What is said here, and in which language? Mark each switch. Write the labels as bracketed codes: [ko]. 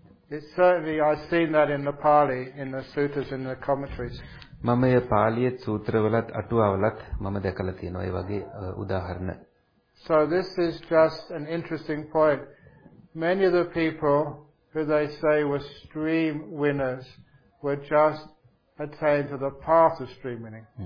[en] It's certainly I've seen that in the Pali, in the sutras, in the commentaries. [si] මම එය පාලියේ සූත්‍රවලත් අටුවාවලත් මම දැකලා තියෙනවා ඒ වගේ උදාහරණ. [en] So this is just an interesting point. Many of the people who they say were stream winners were just attained to the path of streaming.